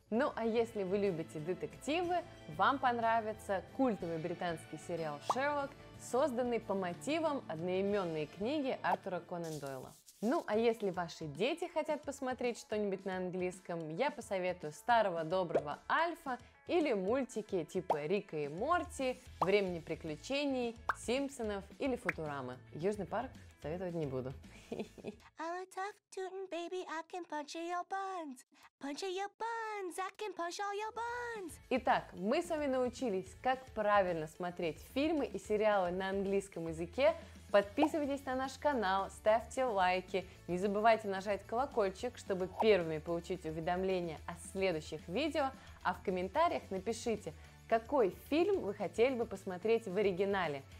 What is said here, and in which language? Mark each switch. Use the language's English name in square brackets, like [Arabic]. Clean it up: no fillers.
[Russian] Ну, а если вы любите детективы, вам понравится культовый британский сериал «Шерлок», созданный по мотивам одноименной книги Артура Конан Дойла. Ну, а если ваши дети хотят посмотреть что-нибудь на английском, я посоветую старого доброго Альфа или мультики типа Рика и Морти, Времени приключений, Симпсонов или Футурамы. Южный парк советовать не буду. [English] I'm a tough tootin' baby, I can punch your buns. Punch your buns, I can punch all your buns. [Russian] Итак, мы с вами научились, как правильно смотреть фильмы и сериалы на английском языке. Подписывайтесь на наш канал, ставьте лайки, не забывайте нажать колокольчик, чтобы первыми получить уведомления о следующих видео, а в комментариях напишите, какой фильм вы хотели бы посмотреть в оригинале.